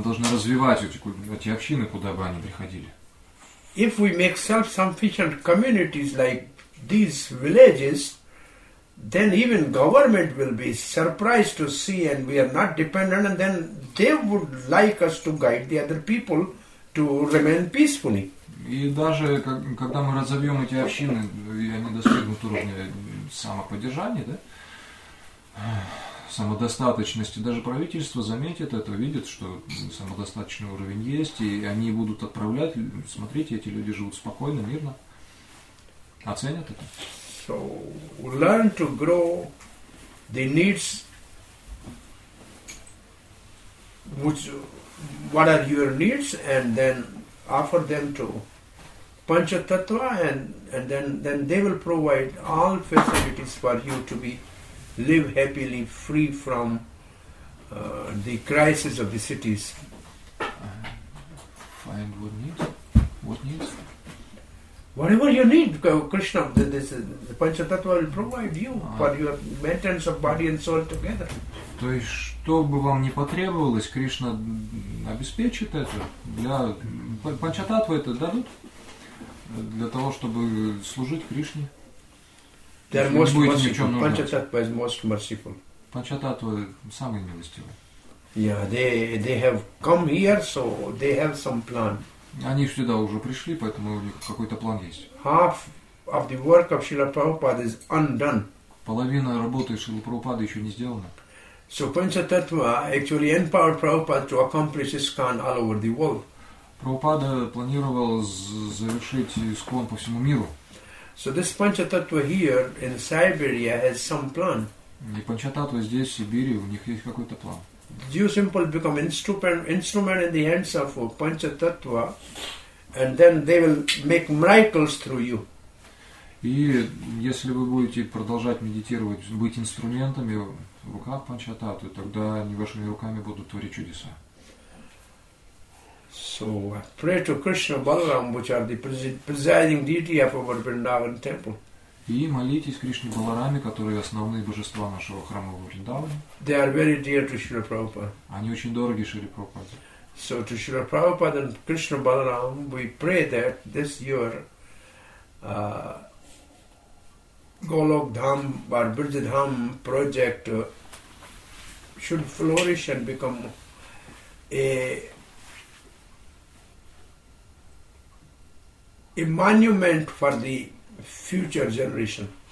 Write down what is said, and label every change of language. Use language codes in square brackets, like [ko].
[ru] Мы должны развивать эти общины, куда бы они приходили. [en] If we make self-sufficient communities like these villages, then even government will be surprised to see and we are not dependent, and then they would like us to guide the other people to remain peacefully. [ru] И даже когда мы разовьем эти общины, и они достигнут уровня самоподдержания, да, самодостаточности, даже правительство заметит это, видит, что самодостаточный уровень есть, и они будут отправлять, смотрите, эти люди живут спокойно, мирно, оценят это. [en] So, learn to grow the needs, which, what are your needs, and then offer them to Pancha Tattva, and then they will provide all facilities for you to be live happily, free from the crisis of the cities. Find what needs. What needs? Whatever you need, Krishna, this is, the Pancha Tattva will provide you for your maintenance of body and soul together. [ru] То есть, что бы вам ни потребовалось, Кришна обеспечит это. Для Пancha Tattva это дадут. Для того, чтобы служить Кришне. [en] Pancha Tattva is most merciful. [ru] Pancha Tattva самый милостивый. [en] Yeah, they have come here, so they have some plan. [ru] Они сюда уже пришли, поэтому у них какой-то план есть. [en] Half of the work of Srila Prabhupada is undone. [ru] Половина работы Шрилы Прабхупады еще не сделана. [en] So Pancha Tattva actually empowered Prabhupada to accomplish ISKCON all over the world. [ru] Прабхупада планировал завершить ИСККОН по всему миру. [en] So this Pancha Tattva here in Siberia has some plan. [ru] И Pancha Tattva здесь, в Сибири, у них есть какой-то план. [en] You simply become instrument in the hands of Pancha Tattva, and then they will make miracles through you. [ru] И если вы будете продолжать медитировать, быть инструментами в руках Pancha Tattva, тогда они вашими руками будут творить чудеса. [en] So I pray to Krishna Balaram, which are the presiding deity of our Vrindavan temple. [ru] И молитесь Кришне Балараме, которые основные божества нашего храма в Вриндаване. [en] They are very dear to Srila Prabhupada. [ru] Они очень дороги Шри Прабхупаде. [en] So to Srila Prabhupada and Krishna Balaram, we pray that this year Golok Dham or Brijadham project should flourish and become a monument for the future generation.